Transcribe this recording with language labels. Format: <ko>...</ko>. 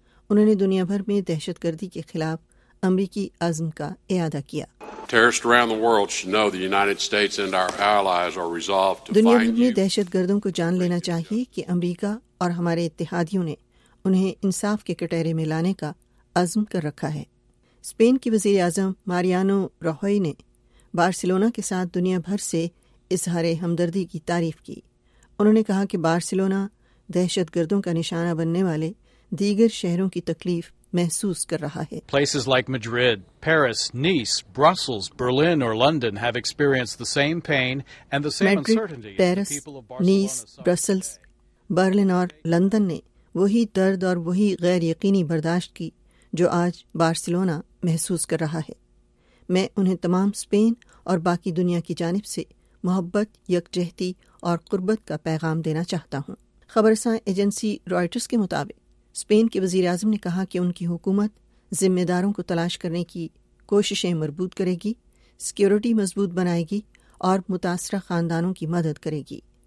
<ur>انہوں نے دنیا بھر میں دہشت گردی کے خلاف امریکی عزم کا اعادہ کیا۔ دنیا بھر میں دہشت گردوں کو جان لینا چاہیے کہ امریکہ اور ہمارے اتحادیوں نے انہیں انصاف کے کٹہرے میں لانے کا عزم کر رکھا ہے۔ اسپین کی وزیر اعظم ماریانو راہوئے نے بارسلونا کے ساتھ دنیا بھر سے اظہار ہمدردی کی تعریف کی۔ انہوں نے کہا کہ بارسلونا دہشت گردوں کا نشانہ بننے والے دیگر شہروں کی تکلیف محسوس کر رہا ہے۔</ur> <en>Places like Madrid, Paris, Nice, Brussels, Berlin or London have experienced the same pain and the same uncertainty.</en> <ur>Paris, Nice, Brussels, Berlin اور لندن نے وہی درد اور وہی غیر یقینی برداشت کی جو آج بارسلونا محسوس کر رہا ہے۔ میں انہیں تمام اسپین اور باقی دنیا کی جانب سے محبت، یکجہتی اور قربت کا پیغام دینا چاہتا ہوں۔ خبر رساں ایجنسی رائٹرز کے مطابق اسپین کے وزیر اعظم نے کہا کہ ان کی حکومت ذمہ داروں کو تلاش کرنے کی کوششیں مربوط کرے گی، سیکیورٹی مضبوط بنائے گی اور متاثرہ خاندانوں کی مدد کرے گی۔</ur>